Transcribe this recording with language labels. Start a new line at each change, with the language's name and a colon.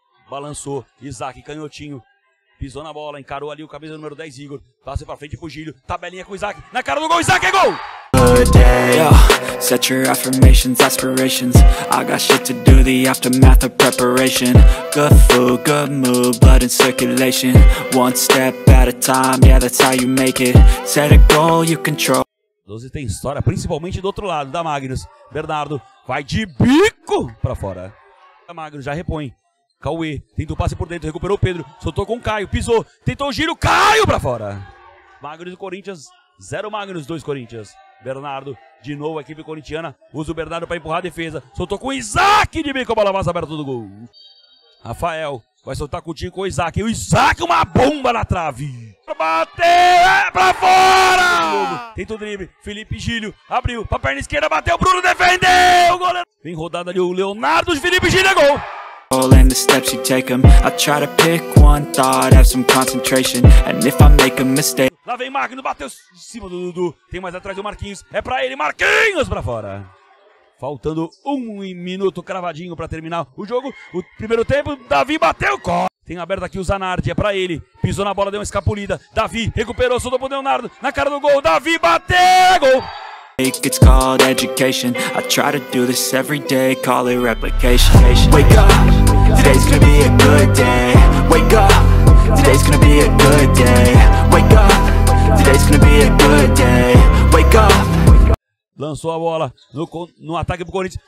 Portuguese: Balançou, Isaac, canhotinho, pisou na bola, encarou ali o camisa número 10, Igor, passa pra frente pro Gílio, tabelinha com o Isaac, na cara do gol, Isaac, é gol!
English: Good day, oh. Set your affirmations, aspirations. I got shit to do, the aftermath of preparation. Good food, good mood, blood in circulation. One step at a time, yeah, that's how you make it. Set a goal you control.
Portuguese: 12 tem história, principalmente do outro lado, da Magnus. Bernardo vai de bico pra fora. A Magnus já repõe. Cauê tenta o passe por dentro, recuperou o Pedro. Soltou com o Caio, pisou, tentou o giro, Caio pra fora. Magnus e Corinthians, 0 Magnus, 2 Corinthians. Bernardo, de novo a equipe corintiana. Usa o Bernardo pra empurrar a defesa. Soltou com o Isaac de bico, a bola passa perto do gol. Rafael vai soltar curtinho com o Isaac. E o Isaac, uma bomba na trave. Bateu, é pra fora! Tenta o drible, Felipe Gílio abriu, pra perna esquerda, bateu, Bruno defendeu, goleiro! Vem rodada ali o Leonardo, Felipe Gílio, é gol!
English: All in the steps you take them. I try to pick one thought, have some concentration. And if I make a mistake.
Portuguese: Lá vem Magno, bateu em cima do Dudu. Tem mais atrás do Marquinhos, é pra ele, Marquinhos pra fora. Faltando um minuto cravadinho pra terminar o jogo. O primeiro tempo, Davi bateu, corre! Tem aberto aqui o Zanardi, é pra ele. Pisou na bola, deu uma escapulida. Davi recuperou, soltou pro Leonardo. Na cara do gol, Davi bateu, é gol!
English: It's called education. I try to do this every day. Call it replication. Wake up. Today's gonna be a good day. Wake up. Today's gonna be a good day. Wake up. Today's gonna be a good day. Wake up.
Portuguese: Lançou a bola no ataque pro Corinthians.